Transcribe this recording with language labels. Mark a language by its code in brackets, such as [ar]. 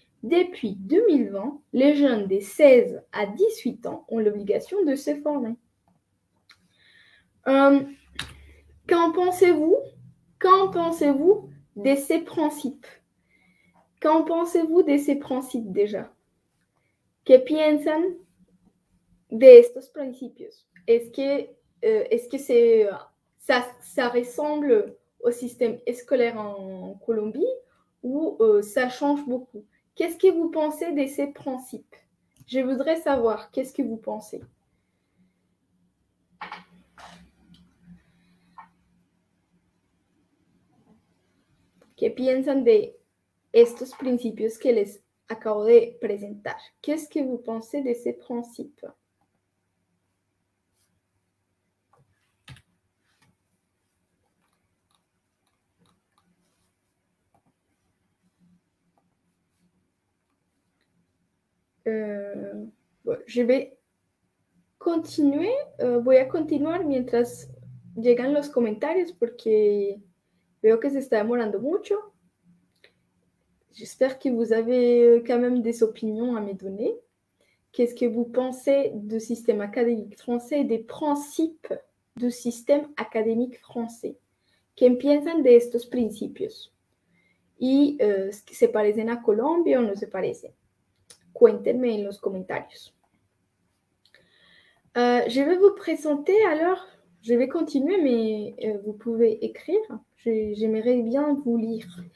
[fr] Depuis 2020, les jeunes des 16 à 18 ans ont l'obligation de se former. Qu'en pensez-vous de ces principes? Qu'en pensez-vous de ces principes déjà? [es] Que piensan de estos principios? [fr] Est-ce que c'est ça ressemble au système scolaire en Colombie ou ça change beaucoup? Qu'est-ce que vous pensez de ces principes? Je voudrais savoir qu'est-ce que vous pensez. [es] Que piensan de estos principios que les acabo de presentar. [fr] ¿Qué que vous pensez de ces principes? [es] Bueno, [fr] je vais continuer. [es] Voy a continuar mientras llegan los comentarios porque veo que se está demorando mucho. [fr] J'espère que vous avez quand même des opinions à me donner. Qu'est-ce que vous pensez du système académique français, des principes du système académique français? [es] ¿Qué piensan de estos principios? Y ¿se parecen a Colombia o no se parecen? Cuéntenme en los comentarios. [fr] Je vais vous présenter alors. Je vais continuer, mais vous pouvez écrire. J'aimerais bien vous lire.